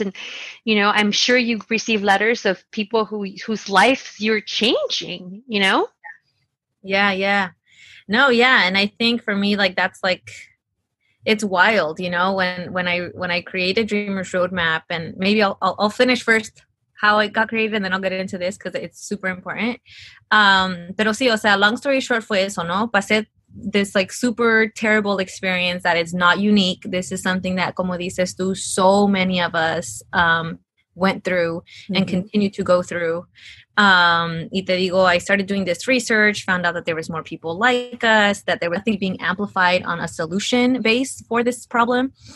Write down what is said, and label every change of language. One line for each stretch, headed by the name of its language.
English: And, you know, I'm sure you receive letters of people whose lives you're changing, you know? Yeah. No, yeah. And I think for me, like, that's like, it's wild, you know, when I created Dreamer's Roadmap, and maybe I'll finish first how it got created, and then I'll get into this because it's super important.
Spanish: Pero sí, o sea,
English: long story short
Spanish: fue eso, ¿no?
English: Pasé this like super terrible experience that is not unique. This is something that,
Spanish: como dices tú,
English: so many of us went through and continue to go through.
Spanish: Y te digo,
English: I started doing this research, found out that there was more people like us, that there was nothing being amplified on a solution base for this problem.